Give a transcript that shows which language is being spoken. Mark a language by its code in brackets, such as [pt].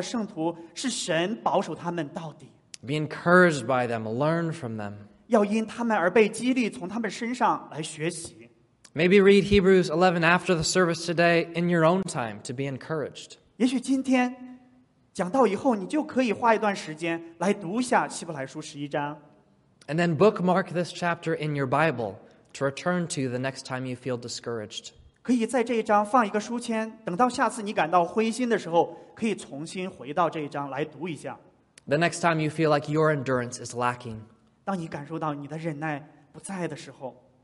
[zh] 要记着这些所有的旧约当中的圣徒是神保守他们到底。 [en] Be encouraged by them, learn from them. [zh] 要因他们而被激励从他们身上来学习。 [en] Maybe read Hebrews 11 after the service today in your own time to be encouraged. [zh] 也许今天讲到以后你就可以花一段时间来读一下希伯来书11章。 [en] And then bookmark this chapter in your Bible to return to the next time you feel discouraged. [zh] 可以在这一章放一个书签, 等到下次你感到灰心的时候, 可以重新回到这一章来读一下。 [en] The next time you feel like your endurance is lacking. [zh] 当你感受到你的忍耐不在的时候,